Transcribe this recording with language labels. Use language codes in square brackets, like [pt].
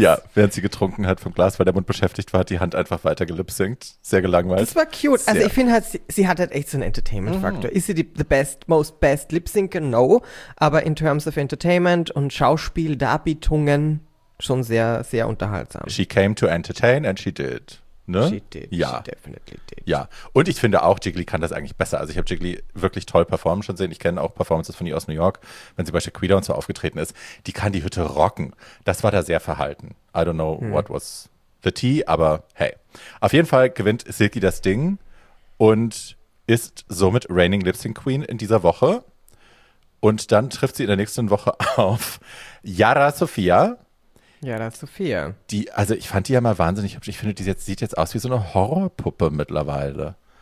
[de] Ja, während sie getrunken hat vom Glas, weil der Mund beschäftigt war, hat die Hand einfach weiter gelipsynkt. Sehr gelangweilt. Das war cute. Sehr. Also ich finde halt, sie hat halt echt so einen Entertainment-Faktor. Mhm. [en] Ist sie the most best Lip-Syncer? No. [de] Aber in terms of Entertainment und Schauspiel, Darbietungen, schon sehr, sehr unterhaltsam. [en] She came to entertain and she did. [de] Ne? [en] She definitely did. [de] Ja, und ich finde auch, Jiggly kann das eigentlich besser. Also ich habe Jiggly wirklich toll performen schon sehen. Ich kenne auch Performances von ihr aus New York, wenn sie bei Shaquita und so aufgetreten ist. Die kann die Hütte rocken. Das war da sehr verhalten. [en] I don't know what was the tea, [de] aber hey. Auf jeden Fall gewinnt Silky das Ding und ist somit reigning Lip-Sync Queen in dieser Woche. Und dann trifft sie in der nächsten Woche auf Yara Sophia. Ja, da ist Sophia. Die, also ich fand die ja mal wahnsinnig hübsch. Ich finde, die sieht jetzt aus wie so eine Horrorpuppe mittlerweile.